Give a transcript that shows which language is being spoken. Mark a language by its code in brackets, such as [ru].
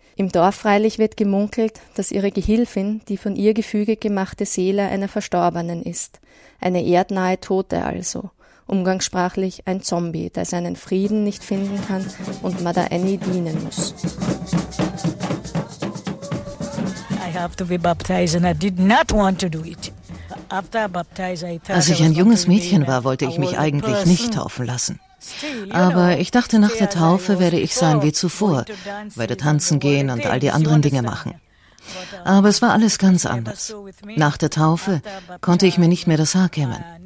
[de] Im Dorf freilich wird gemunkelt, dass ihre Gehilfin die von ihr gefügig gemachte Seele einer Verstorbenen ist. Eine erdnahe Tote also. Umgangssprachlich ein Zombie, der seinen Frieden nicht finden kann und Mother Annie dienen muss. [en] I have to be baptized and I did not want to do it. [de] Als ich ein junges Mädchen war, wollte ich mich eigentlich nicht taufen lassen. Aber ich dachte, nach der Taufe werde ich sein wie zuvor, werde tanzen gehen und all die anderen Dinge machen. Aber es war alles ganz anders. Nach der Taufe konnte ich mir nicht mehr das Haar kämmen.